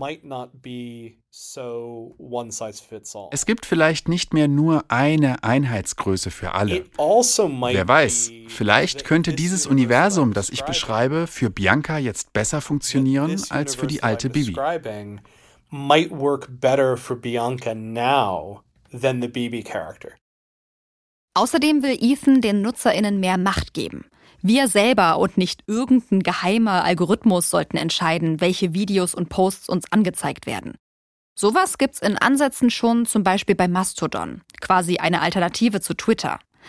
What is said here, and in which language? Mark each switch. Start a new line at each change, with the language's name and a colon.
German: Es gibt vielleicht nicht mehr nur eine Einheitsgröße für alle. Wer weiß, vielleicht könnte dieses Universum, das ich beschreibe, für Bianca jetzt besser funktionieren als für die alte Bibi.
English: Might work better for Bianca now than the BB character.
German: Außerdem will Ethan den NutzerInnen mehr Macht geben. Wir selber und nicht irgendein geheimer Algorithmus sollten entscheiden, welche Videos und Posts uns angezeigt werden. Sowas gibt's in Ansätzen schon, zum Beispiel bei Mastodon, quasi eine Alternative zu Twitter.